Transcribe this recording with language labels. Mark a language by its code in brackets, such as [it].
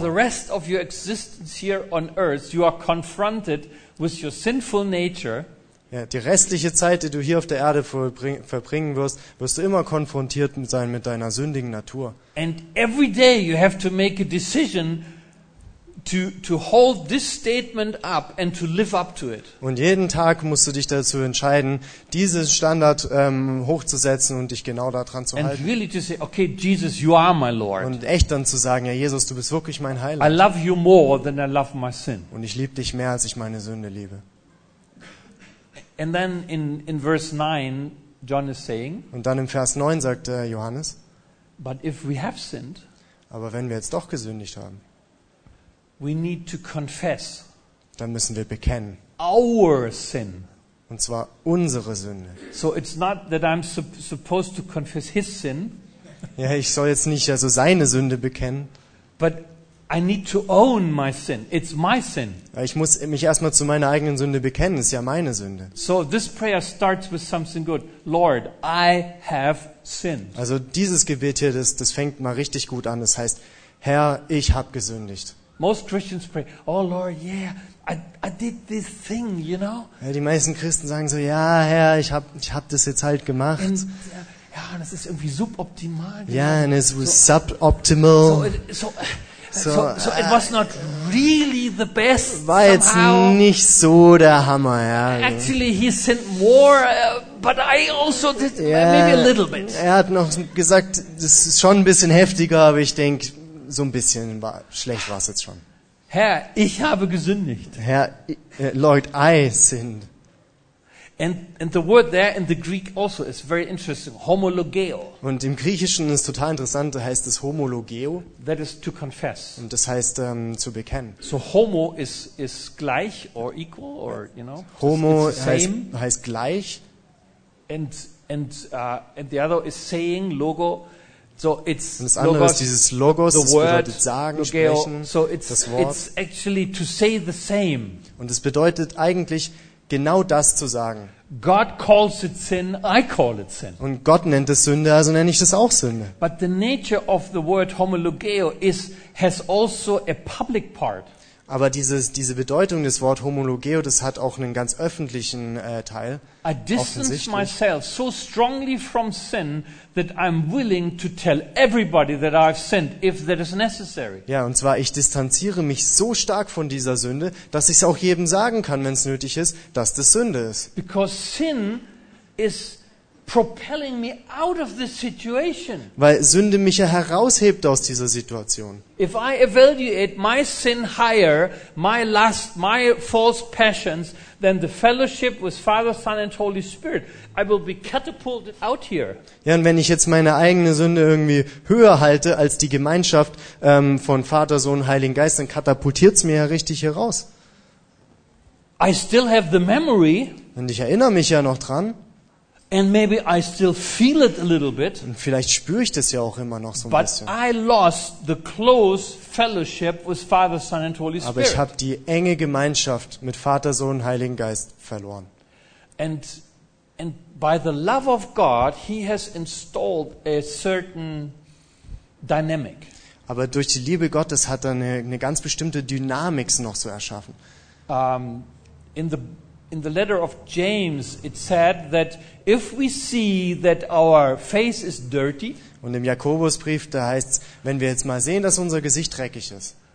[en] For the rest of your existence here on earth, you are confronted with your sinful nature. [de] Ja, die restliche Zeit, die du hier auf der Erde verbringen wirst, wirst du immer konfrontiert sein mit deiner sündigen Natur. [en] And every day you have to make a decision to hold this statement up and to live up to it. [de] Und jeden Tag musst du dich dazu entscheiden, diesen Standard hochzusetzen und dich genau daran zu [en] and [de] halten. [en] And really to say, okay, Jesus, you are my Lord. [de] Und echt dann zu sagen, ja, Jesus, du bist wirklich mein Heiland. [en] I love you more than I love my sin. [de] Und ich liebe dich mehr, als ich meine Sünde liebe. [en] And then in verse 9, John is saying. [de] Und dann im Vers 9 sagt Johannes. [en] But if we have sinned. [de] Aber wenn wir jetzt doch gesündigt haben. [en] We need to confess. [de] Dann müssen wir bekennen. [en] Our sin. [de] Und zwar unsere Sünde. [en] So it's not that I'm supposed to confess his sin. [de] Ja, ich soll jetzt nicht also seine Sünde bekennen. [en] But I need to own my sin. It's my sin. [de] Ich muss mich erstmal zu meiner eigenen Sünde bekennen. Es ist ja meine Sünde. [en] So this prayer starts with something good. Lord, I have sinned. [de] Also dieses Gebet hier, das fängt mal richtig gut an. Das heißt, Herr, ich habe gesündigt. [en] Most Christians pray, oh Lord, yeah, I did this thing, you know? [de] Ja, die meisten Christen sagen so, ja, Herr, ich hab das jetzt halt gemacht. [en] And, [de] ja, und es ist irgendwie suboptimal. [en] Ja, yeah, and it was so, suboptimal. So it was not really the best. [de] War [en] somehow [de] jetzt nicht so der Hammer, ja. [en] Actually, he sent more, but I also did, yeah, maybe a little bit. [de] Er hat noch gesagt, das ist schon ein bisschen heftiger, aber ich denke, so ein bisschen schlecht war es jetzt schon. Herr, ich habe gesündigt. [en] Herr, Lord, I sinned. And the word there in the Greek also is very interesting, homologeo. [de] Und im Griechischen ist total interessant, da heißt es homologeo. [en] That is to confess. [de] Und das heißt zu bekennen. [en] So homo is gleich or equal or, you know. [de] Homo heißt gleich. [en] And the other is saying, logo. So it's [de] und das andere logos, ist dieses Logos, das bedeutet sagen, logeo, sprechen, [en] so it's, [de] das Wort. [en] It's actually to say the same. [de] Und es bedeutet eigentlich genau das zu sagen. [en] God calls it sin, I call it sin. [de] Und Gott nennt es Sünde, also nenne ich das auch Sünde. [en] But the nature of the word homologeo has also a public part. [de] Aber diese Bedeutung des Wort homologeo, das hat auch einen ganz öffentlichen Teil. [en] I distance myself so strongly from sin that I'm willing to tell everybody that I've sinned if that is necessary. [de] Ja, und zwar ich distanziere mich so stark von dieser Sünde, dass ich es auch jedem sagen kann, wenn es nötig ist, dass das Sünde ist. [en] Because sin is propelling me out of this situation. [de] Weil Sünde mich ja heraushebt aus dieser Situation. [en] If I evaluate my sin higher, my lust, my false passions, than the fellowship with Father, Son and Holy Spirit, I will be catapulted out here. [de] Ja, und wenn ich jetzt meine eigene Sünde irgendwie höher halte als die Gemeinschaft von Vater, Sohn, Heiligen Geist, dann katapultiert's mir ja richtig heraus. [en] I still have the memory. [de] Und ich erinnere mich ja noch dran. [en] And maybe I still feel it a little bit. [de] Und vielleicht spüre ich das ja auch immer noch so ein [en] but [de] bisschen. [en] I lost the close fellowship with Father, Son and Holy Spirit. [de] Aber ich habe die enge Gemeinschaft mit Vater, Sohn, Heiligen Geist verloren. [en] And by the love of God, he has installed a certain dynamic. [de] Aber durch die Liebe Gottes hat er eine ganz bestimmte Dynamik noch so erschaffen. [en] In the letter of James it said that if we see that our face is dirty, [de] und im Jakobusbrief da heißt's, wenn wir jetzt mal sehen, dass unser Gesicht dreckig ist,